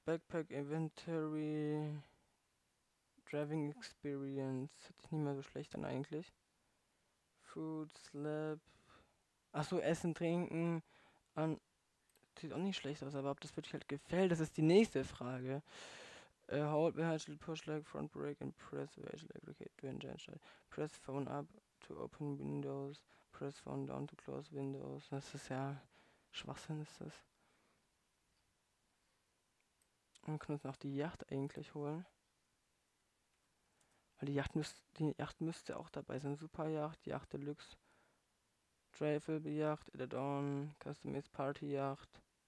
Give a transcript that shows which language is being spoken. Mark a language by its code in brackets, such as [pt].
[en] Backpack Inventory. Driving Experience. [de] Hat sich nicht mehr so schlecht dann eigentlich. Food Slab. Achso, Essen, Trinken. An. Sieht auch nicht schlecht aus, aber ob das wirklich halt gefällt, das ist die nächste Frage. [en] Hold behind push leg, front brake and press aggregate. Press phone up to open windows. Press phone down to close windows. [de] Das ist ja Schwachsinn, ist das. Wir können uns noch die Yacht eigentlich holen. Weil die Yacht müsste auch dabei sein. [en] Super Yacht, Yacht Deluxe. Travel Yacht, Edit On, Customized Party Yacht.